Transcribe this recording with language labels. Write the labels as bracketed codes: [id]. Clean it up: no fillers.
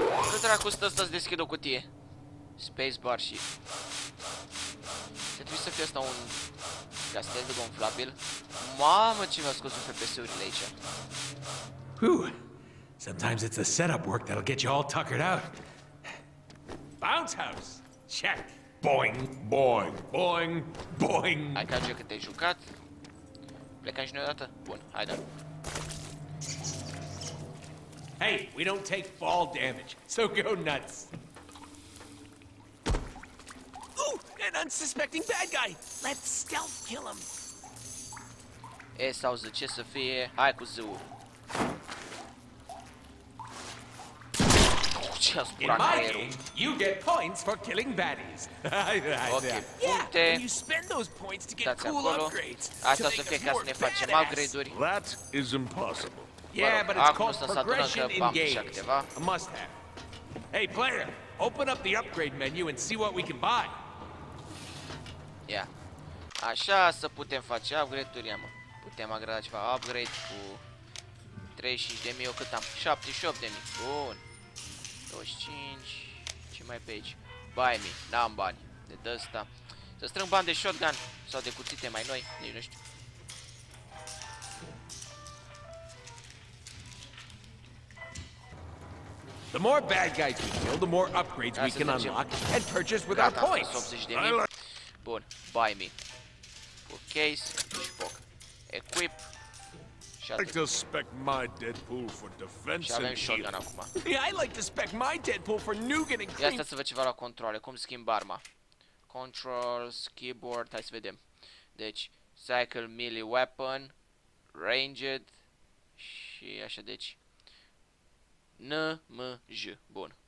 [ro] Ce dracu stă să-ți deschid o cutie? Space bar și... Trebuie să fie asta un... castel de gonflabil. Mamă, ce mi-a scos FPS-urile aici. Whew. [en] Sometimes it's the setup work that'll get you all tuckered out. Bounce house. Check. Boing, boing, boing, boing. [ro] Hai ca că te-ai jucat. Plecam și noi odată. Bun, haide. [en] Hey, we don't take fall damage, so go nuts. Ooh, an unsuspecting bad guy. Let's stealth kill him. [ro] E sau ză, ce să fie? Hai cu ză-ul. [en] In my game, you get points for killing baddies. Okay. Yeah, and you spend those points to get cool upgrades. [ro] Asta să fie ca să ne facem upgrade-uri. [en] That is impossible. Yeah, but it's called progression in games. A must have. Hey, player, open up the upgrade menu and see what we can buy. Yeah. [ro] Așa să putem face upgrade-uri, mă. Putem agrada ceva upgrade cu 35.000, eu cât am? 78.000. Bun. 25. Ce mai pe aici? [en] Buy me, [ro] n-am bani de ăsta. Să strâng bani de shotgun sau de cuțite mai noi, nici nu știu. [en] The more bad guys we kill, the more upgrades we can unlock and purchase with our points. [ro] 80.000. Bun, [en] buy me. [ro] Full case, shpok. Equip. [en] I like to spec my Deadpool for defense and yeah, I like to spec my Deadpool for nougat and cream. [ro] Ia stai să văd ceva la controle, cum schimb arma. [en] Controls, keyboard, [ro] hai să vedem. Deci, [en] cycle, melee weapon, ranged, [ro] și așa, deci, N, M, J, bun.